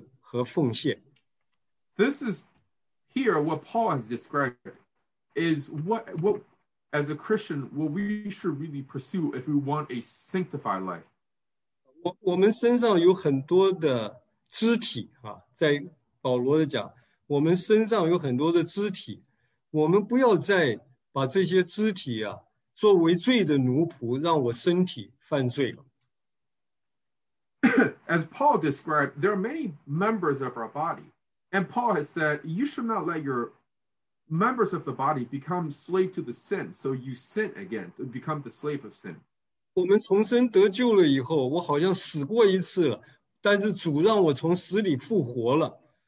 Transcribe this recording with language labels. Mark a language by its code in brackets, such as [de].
[zh] 这是一个基督徒要追求成圣过程中非常重要的一个认识和奉献。This [en] is here what Paul has described is what as a Christian what we should really pursue if we want a sanctified life. [zh] 我们身上有很多的肢体，在保罗的讲， 我们身上有很多的肢体，我们不要再把这些肢体作为罪的奴仆，让我身体犯罪了。As [en] Paul described, there are many members of our body, and Paul has said, you should not let your members of the body become slave to the sin, so you sin again, become the slave of sin. [zh] 我们重生得救了以后，我好像死过一次了，但是主让我从死里复活了。